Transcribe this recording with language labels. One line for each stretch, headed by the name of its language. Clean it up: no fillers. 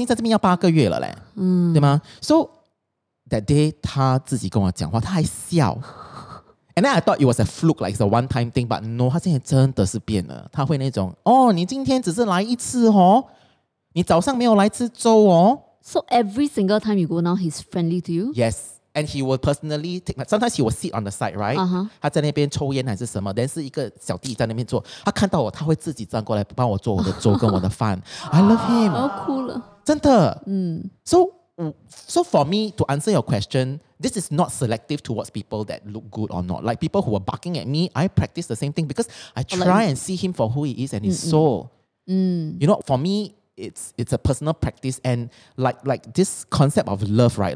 Chinese: 我已经在这边要八个月了咧，对吗？
English: So that day
Chinese: 他自己跟我讲话，他还笑。
English: And then I thought it was a fluke, like it's a one-time thing. But no,
Chinese: 他现在真的是变了。他会那种，哦，你今天只是来一次哦，你早上没有来吃粥哦。
English: So every single time you go now, he's friendly to you? Yes. And he will personally take. Sometimes he will sit on the side, right? Uh-huh.
Chinese: 他在那边抽烟还是什么？Then 是一个小弟在那边做。他看到我，他会自己站过来帮我做我的粥跟我的饭。
English: I love him.
Chinese: 我要哭了。真的。
English: So for me, to answer your question, this is not selective towards people that look good or not. Like people who are barking at me, I practice the same thing because I try and see him for who he is and his soul. You know, for me, it's a personal practice and like this concept of love, right?